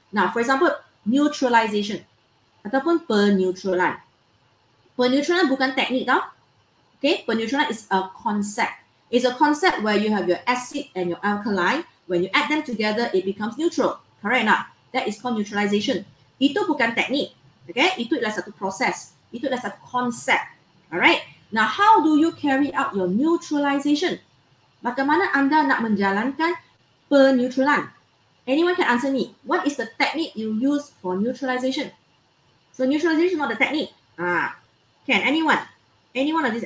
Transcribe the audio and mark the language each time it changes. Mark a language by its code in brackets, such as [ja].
[en] Now, for example, neutralization. [ms] Ataupun penutralan. Penutralan bukan teknik tau. Okay, penutralan [en] is a concept. It's a concept where you have your acid and your alkaline. When you add them together, it becomes neutral. Correct not? That is called neutralization. [ms] Itu bukan teknik. Okay, itu adalah satu proses. Itu adalah satu concept. [en] Alright? Now, how do you carry out your neutralization? [ms] Bagaimana anda nak menjalankan penutralan? [en] Anyone can answer me. What is the technique you use for neutralization? So neutralization is not the technique. Can anyone? Anyone of these?